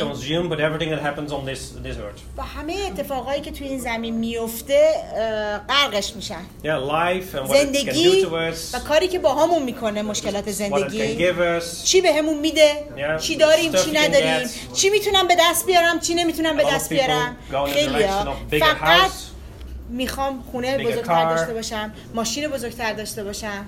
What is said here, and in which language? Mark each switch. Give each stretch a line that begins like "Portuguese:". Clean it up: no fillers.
English: Basically consume, but everything that happens on this earth.
Persian: و همه اتفاقایی که توی این زمین میافته غرقش میشن.
English: Yeah, life and what it can do to us.
Persian: و کاری که با همون میکنه مشکلات زندگی.
English: What it can give us.
Persian: چی بهمون میده؟ Yeah, چی داریم؟ چی نداریم؟ چی میتونم به دست بیارم؟ چی نمیتونم به دست بیارم؟ خیلی فقط میخوام خونه بزرگتر داشته باشم، ماشین بزرگتر داشته باشم.